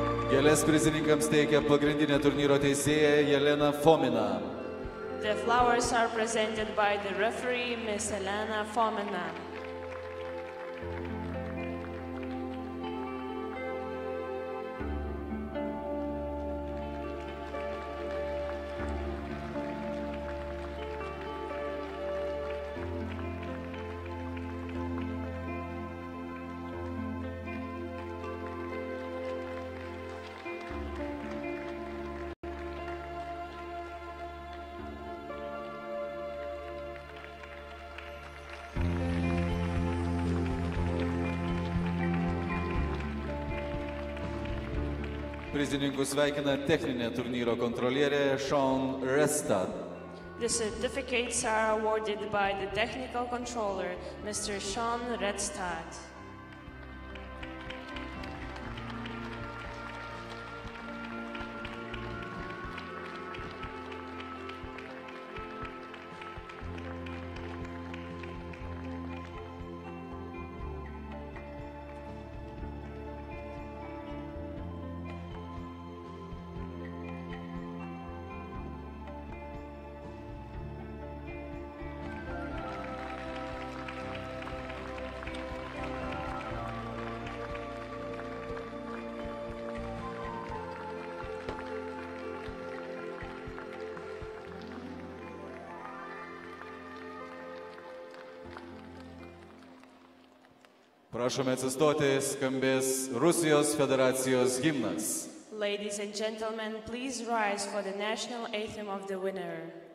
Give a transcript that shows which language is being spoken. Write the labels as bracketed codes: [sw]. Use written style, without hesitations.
[lt] Gėles prizininkams teikia pagrindinė turnyro teisėja Jelena Fomina. [en] The flowers are presented by the referee, Miss Elena Fomina. [lt] Prizininkus sveikina techninė turnyro kontrolierė Sean Restad. [en] The certificates are awarded by the technical controller, Mr. Sean Restad. [lt] Prašome atsistoti, skambės Rusijos Federacijos himnas. [en] Ladies and gentlemen, please rise for the national anthem of the winner.